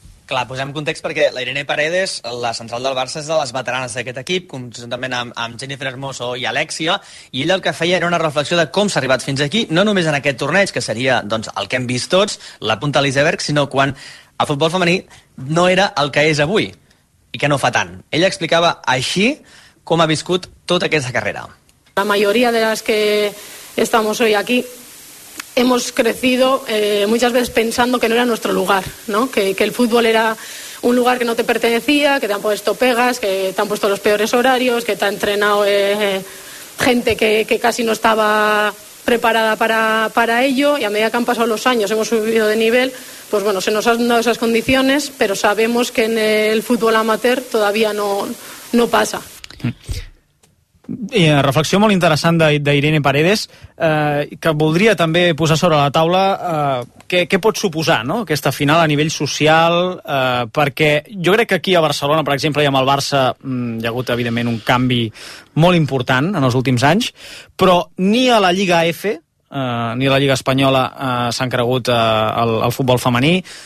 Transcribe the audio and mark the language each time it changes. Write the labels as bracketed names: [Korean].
[Catalan] Clar, posem context perquè la Irene Paredes, la central del Barça, és de les veteranes d'aquest equip, conjuntament amb Jennifer Hermoso i Alexia, i ella el que feia era una reflexió de com s'ha arribat fins aquí, no només en aquest torneig, que seria doncs, el que hem vist tots, la punta de l'iceberg, sinó quan el futbol femení no era el que és avui i que no fa tant. Ella explicava així com ha viscut tota aquesta carrera. [Spanish] La mayoría de las que estamos hoy aquí hemos crecido muchas veces pensando que no era nuestro lugar, ¿no? Que el fútbol era un lugar que no te pertenecía, que te han puesto pegas, que te han puesto los peores horarios, que te ha entrenado gente que casi no estaba preparada para ello, y a medida que han pasado los años hemos subido de nivel, pues bueno, se nos han dado esas condiciones, pero sabemos que en el fútbol amateur todavía no pasa. [Catalan] I una reflexió molt interessant d'Irene Paredes, que voldria també posar sobre la taula què pot suposar, no?, aquesta final a nivell social, perquè jo crec que aquí a Barcelona, per exemple, i amb el Barça hi ha hagut, evidentment, un canvi molt important en els últims anys, però ni a la Lliga F, ni a la Lliga Espanyola s'han cregut el futbol femení,